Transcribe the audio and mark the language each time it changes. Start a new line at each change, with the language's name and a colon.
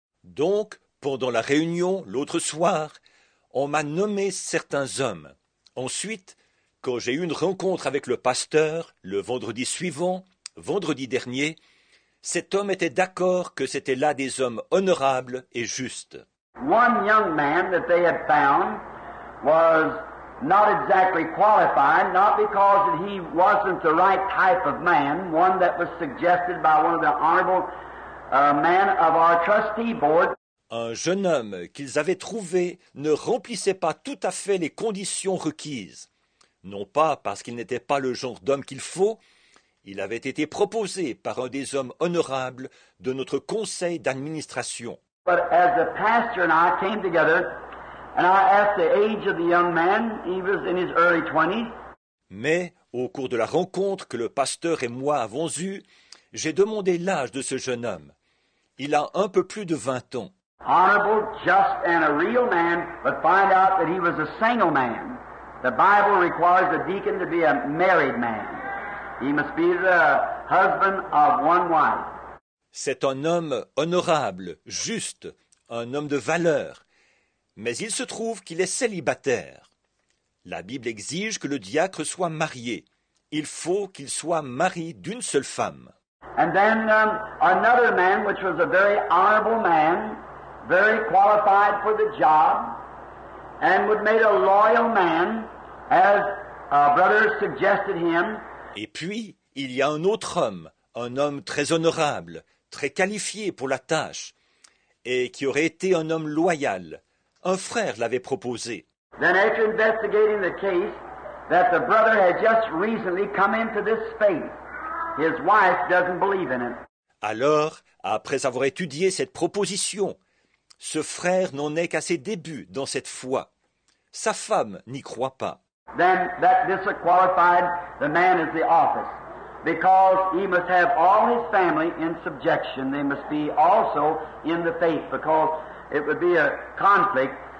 French: Donc, pendant la réunion, l'autre soir, on m'a nommé certains hommes. Ensuite, quand j'ai eu une rencontre avec le pasteur, le vendredi suivant, vendredi dernier, cet homme était d'accord que c'était là des hommes honorables et justes.
English: One young man that they had found was not exactly qualified, not because that he wasn't the right type of man, one that was suggested by one of the honorable men of our trustee board.
French: Un jeune homme qu'ils avaient trouvé ne remplissait pas tout à fait les conditions requises. Non pas parce qu'il n'était pas le genre d'homme qu'il faut, il avait été proposé par un des hommes honorables de notre conseil d'administration.
English: But as the pastor and I came together, and I asked the age of the young man, he was in his early 20s.
French: Mais au cours de la rencontre que le pasteur et moi avons eue, j'ai demandé l'âge de ce jeune homme. Il a un peu plus de 20 ans.
English: Honorable, just, and a real man, but find out that he was a single man. The Bible requires a deacon to be a married man. He must be the husband of one wife.
French: C'est un homme honorable, juste, un homme de valeur. Mais il se trouve qu'il est célibataire. La Bible exige que le diacre soit marié. Il faut qu'il soit mari d'une seule femme.
English: And then another man, which was a very honorable man, very qualified for the job, and would make a loyal man, as a brother suggested him.
French: Et puis, il y a un autre homme, un homme très honorable, très qualifié pour la tâche, et qui aurait été un homme loyal. Un frère l'avait proposé.
English: Then after investigating the case, that the brother had just recently come into this faith. His wife doesn't believe in it.
French: Alors, après avoir étudié cette proposition, ce frère n'en est qu'à ses débuts dans cette foi. Sa femme n'y croit pas.
English: Then that disqualified the man as the office, because he must have all his family in subjection. They must be also in the faith, because it would be a conflict.